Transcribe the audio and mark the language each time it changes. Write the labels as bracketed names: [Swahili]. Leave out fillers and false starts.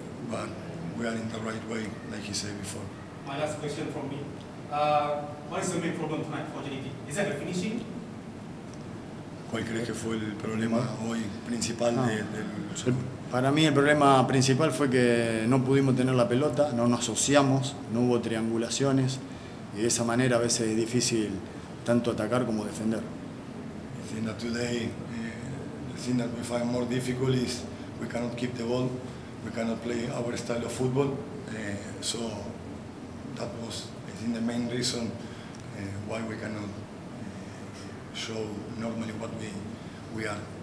[English] But we are in the right way, like he said before. My last question from me. What is the main problem tonight for JDT? Is that the finishing? [Spanish] ¿Cuál crees que fue el problema hoy principal Para mí el problema principal fue que no pudimos tener la pelota, no nos asociamos, no hubo triangulaciones, y de esa manera a veces es difícil tanto atacar como defender. [English] I think that today, the thing that we find more difficult is we cannot keep the ball. We cannot play our style of football, so that was, I think, the main reason why we cannot show normally what we are.